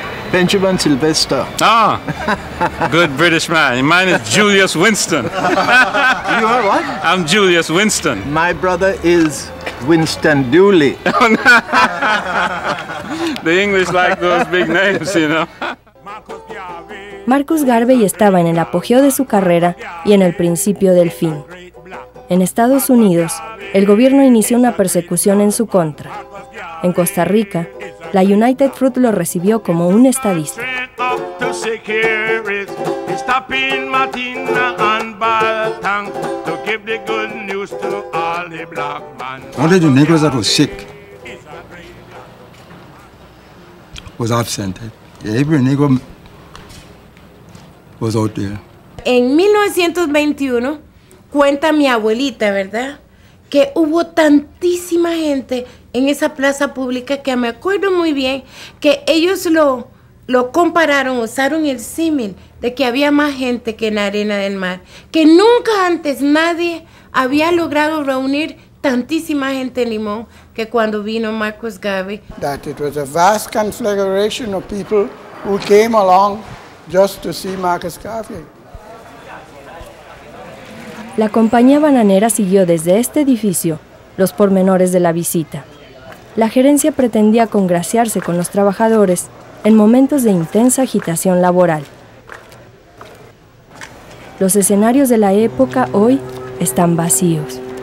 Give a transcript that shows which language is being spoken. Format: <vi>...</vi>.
<en>Benjamin Sylvester. Ah, good British man. Mine is Julius Winston. You are what? I'm Julius Winston. My brother is Winston Dooley. The English like those big names, you know.</en> <es>Marcus Garvey estaba en el apogeo de su carrera y en el principio del fin. En Estados Unidos, el gobierno inició una persecución en su contra. En Costa Rica, la United Fruit lo recibió como un estadista.</es> <en>Only the Negroes that were sick was absent. Every Negro was out there.</en> <es>En 1921, cuenta mi abuelita, ¿verdad? Que hubo tantísima gente en esa plaza pública que me acuerdo muy bien que ellos lo compararon, usaron el símil de que había más gente que en la arena del mar, que nunca antes nadie había logrado reunir tantísima gente en Limón que cuando vino Marcus Garvey.</es> <en>That it was a vast conflagration of people who came along just to see Marcus Garvey.</en> <es>La compañía bananera siguió desde este edificio los pormenores de la visita. La gerencia pretendía congraciarse con los trabajadores en momentos de intensa agitación laboral. Los escenarios de la época hoy están vacíos.</es>